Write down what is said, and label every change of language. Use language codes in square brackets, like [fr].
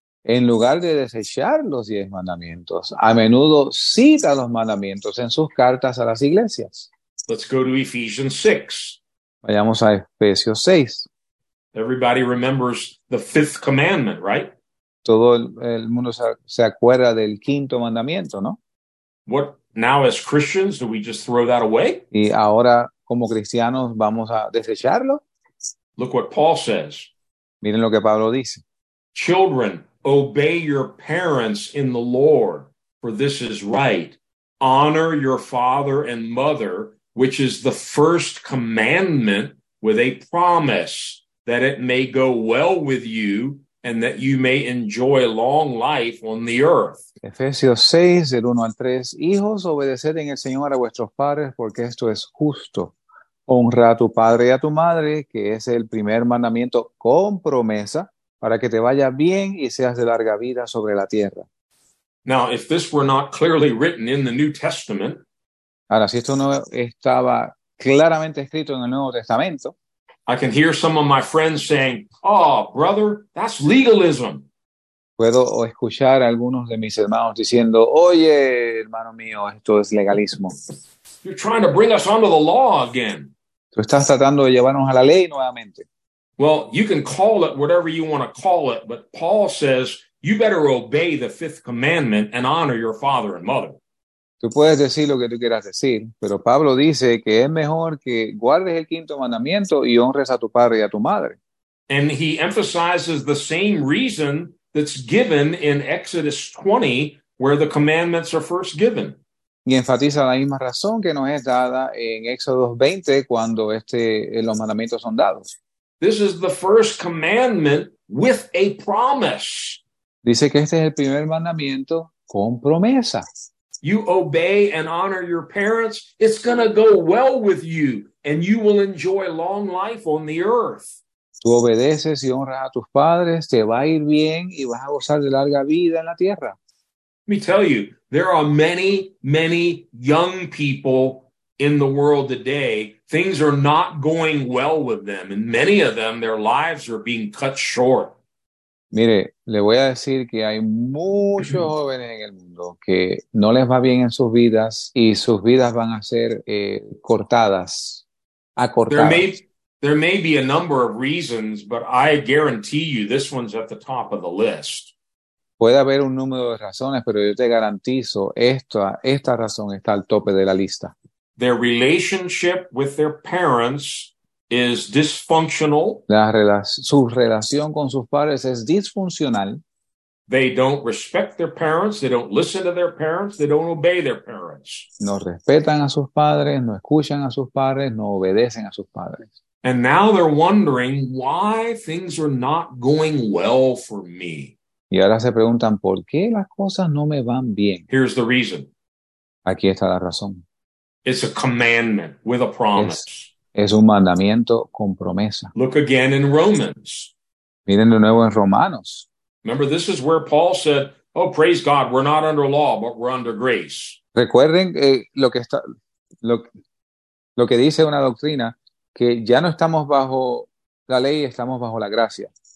[es] En lugar de desechar los 10 mandamientos, a menudo cita los mandamientos en sus cartas a las iglesias. [en] Let's go to Ephesians 6. [es] Vayamos a Efesios 6. [en] Everybody remembers the fifth commandment, right? [es] Todo el mundo se acuerda del quinto mandamiento, ¿no? [en] What now, as Christians, do we just throw that away? [es] Y ahora, como cristianos, vamos a desecharlo. [en] Look what Paul says. [es] Miren lo que Pablo dice. [en] Children, obey your parents in the Lord, for this is right. Honor your father and mother, which is the first commandment with a promise that it may go well with you and that you may enjoy long life on the earth. [es] Efesios 6, del 1 al 3. Hijos, obedeced en el Señor a vuestros padres, porque esto es justo. Honra a tu padre y a tu madre, que es el primer mandamiento con promesa, para que te vaya bien y seas de larga vida sobre la tierra. [en] Now, if this were not clearly written in the New Testament, [es] Ahora, si esto no estaba claramente escrito en el Nuevo Testamento, [en] I can hear some of my friends saying, oh, brother, that's legalism. [es] puedo escuchar a algunos de mis hermanos diciendo, oye, hermano mío, esto es legalismo. [en] You're trying to bring us under the law again. [es] Tú estás tratando de llevarnos a la ley nuevamente. [en] Well, you can call it whatever you want to call it, but Paul says you better obey the fifth commandment and honor your father and mother. [es] Tú puedes decir lo que tú quieras decir, pero Pablo dice que es mejor que guardes el quinto mandamiento y honres a tu padre y a tu madre. [en] And he emphasizes the same reason that's given in Exodus 20, where the commandments are first given. [es] Y enfatiza la misma razón que nos es dada en Éxodo 20, cuando los mandamientos son dados. [en] This is the first commandment with a promise. [es] Dice que este es el primer mandamiento con promesa. [en] You obey and honor your parents, it's going to go well with you, and you will enjoy long life on the earth. [es] Tú obedeces y honras a tus padres, te va a ir bien y vas a gozar de larga vida en la tierra. [en] Let me tell you, there are many, many young people in the world today. Things are not going well with them, and many of them, their lives are being cut short. [es] Mire, le voy a decir que hay muchos jóvenes en el mundo que no les va bien en sus vidas y sus vidas van a ser cortadas, acortadas. [en] There may be a number of reasons, but I guarantee you this one's at the top of the list. [es] Puede haber un número de razones, pero yo te garantizo esta razón está al tope de la lista. [en] Their relationship with their parents is dysfunctional. [es] Su relación con sus padres es disfuncional. [en] They don't respect their parents. They don't listen to their parents. They don't obey their parents. [es] No respetan a sus padres, no escuchan a sus padres, no obedecen a sus padres. [en] And now they're wondering why things are not going well for me. [es] Y ahora se preguntan, ¿por qué las cosas no me van bien? [en] Here's the reason. [es] Aquí está la razón. [en] It's a commandment with a promise. [es] Es un mandamiento con promesa. [en] Look again in Romans. [es] Miren de nuevo en Romanos. [en] Remember, this is where Paul said, oh, praise God, we're not under law, but we're under grace. [es] Recuerden lo que dice una doctrina, que ya no estamos bajo la ley, estamos bajo la gracia.